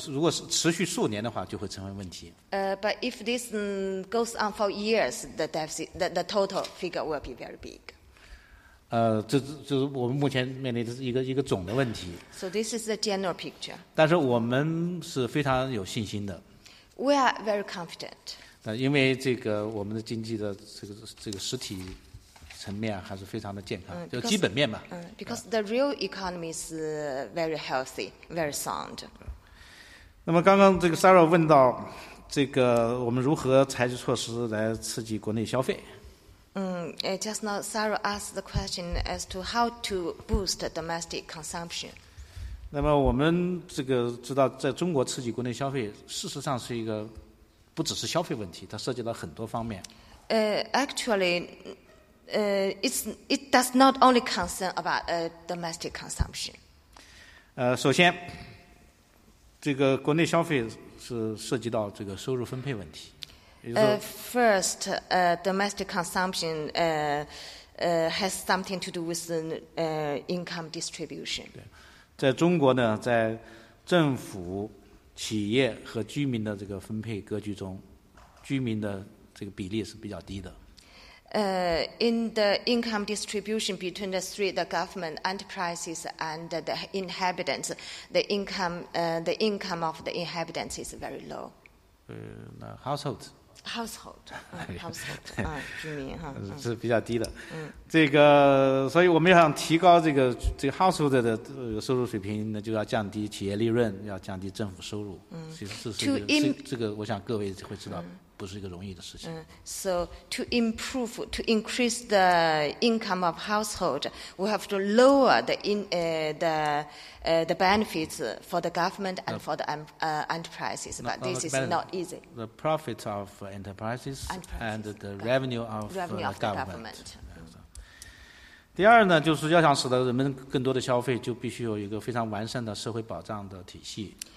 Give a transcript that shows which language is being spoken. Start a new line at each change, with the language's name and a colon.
Chinese: 但是它如果是持续数年的话，就会成为问题。
English: But if this goes on for years, the deficit, the total figure will be very big.
Chinese: 这是我们目前面临的一个总的问题。
English: So this is the general picture.
Chinese: 但是我们是非常有信心的。
English: We are very confident.
Chinese: 因为这个我们的经济的这个实体。层面还是非常的健康，就基本面嘛。
English: Because the real economy is very healthy, very sound.
Chinese: 那么刚刚这个 Sarah 问到，这个我们如何采取措施来刺激国内消费？
English: Just now Sarah asked the question as to how to boost domestic consumption.
Chinese: 那么我们这个知道，在中国刺激国内消费，事实上是一个不只是消费问题，它涉及到很多方面。
English: Actually. it does not only concern about domestic consumption.
Chinese: 首先，这个国内消费是涉及到这个收入分配问题。
English: First, domestic consumption has something to do with income distribution.
Chinese: 在中国呢，在政府、企业和居民的这个分配格局中，居民的这个比例是比较低的。
English: In the income distribution between the three, the government, enterprises, and the inhabitants, the income of the inhabitants is very low. Household. Household. Household.
Chinese: 居民哈。是比较低的。这个，所以我们想提高这个 household 的收入水平，那就要降低企业利润，要降低政府收入。这个我想各位会知道。不是一个容易的事情。
English: So to increase the income of household, we have to lower the benefits for the government and for the enterprises. But this is not easy. The profit of enterprises and the revenue of government.
Chinese: 第二呢，就是要想使得人们更多的消费，就必须有一个非常完善的社会保障的体系。